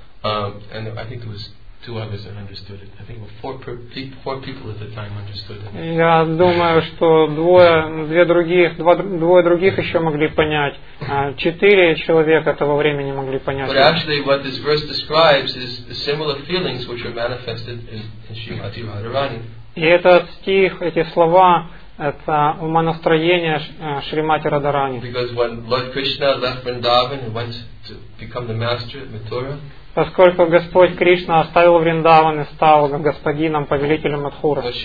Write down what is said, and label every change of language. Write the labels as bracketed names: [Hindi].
[English] And I think it was two others that understood it. I think four people at the time understood it. [Russian] Я думаю, что двое других еще могли понять. Четыре человека того времени могли понять. [English] But actually, what this verse describes is the similar feelings which are manifested in Srimati Radharani. [Russian] И этот стих, эти слова, это умонастроение Шримати Радарани. [English] Because when Lord Krishna left Vrindavan and went to become the master at Mathura. [Russian] Поскольку Господь Кришна оставил Вриндаван и стал господином, повелителем Мадхуры.